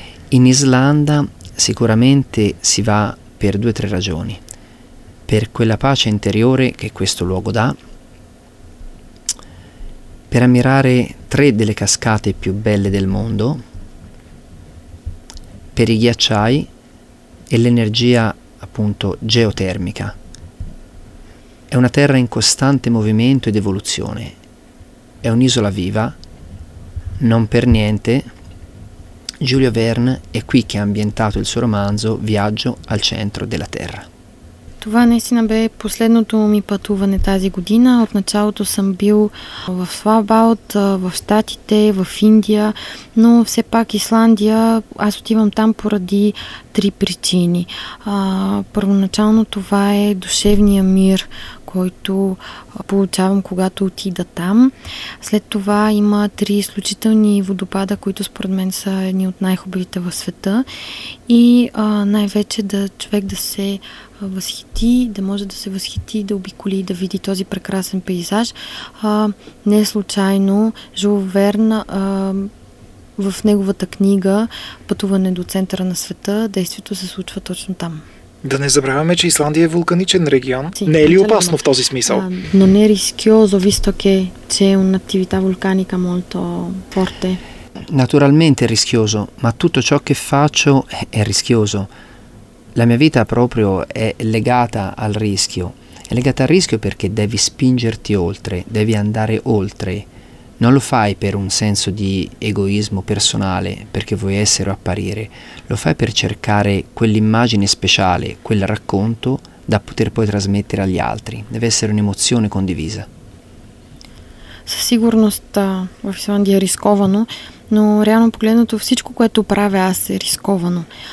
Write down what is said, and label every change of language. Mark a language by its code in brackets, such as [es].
[it] In Islanda sicuramente si va per due o tre ragioni: per quella pace interiore che questo luogo dà, per ammirare tre delle cascate più belle del mondo, per i ghiacciai e l'energia appunto geotermica. È una terra in costante movimento ed evoluzione, è un'isola viva, non per niente Giulio Verne è qui che ha ambientato il suo romanzo Viaggio al centro della terra. [bg] Това наистина бе последното ми пътуване тази година. От началото съм бил в Свалбард, в Штатите, в Индия, но все пак Исландия, аз отивам там поради три причини. Първоначално това е душевния мир, който получавам, когато отида там. След това има три изключителни водопада, които според мен са едни от най-хубавите в света. И най-вече да човек да се възхити, да може да се възхити, да обиколи, да види този прекрасен пейзаж. Не случайно Жул Верн в неговата книга Пътуване до центъра на света, действието се случва точно там. Да не забравяме, че Исландия е вулканичен регион. Не е ли опасно в този смисъл? [it] Но не рискиозо, висто ке, че е un'attività vulcanica molto forte. Naturalmente è rischioso, ma tutto ciò che faccio è rischioso. La mia vita proprio è legata al rischio. È legata al rischio perché devi spingerti oltre, devi andare oltre. Non lo fai per un senso di egoismo personale, perché vuoi essere o apparire. Lo fai per cercare quell'immagine speciale, quel racconto da poter poi trasmettere agli altri. Deve essere un'emozione condivisa. [bg] Със сигурност в Исландия е рисковано, но реално погледнато всичко, което правя аз, е рисковано.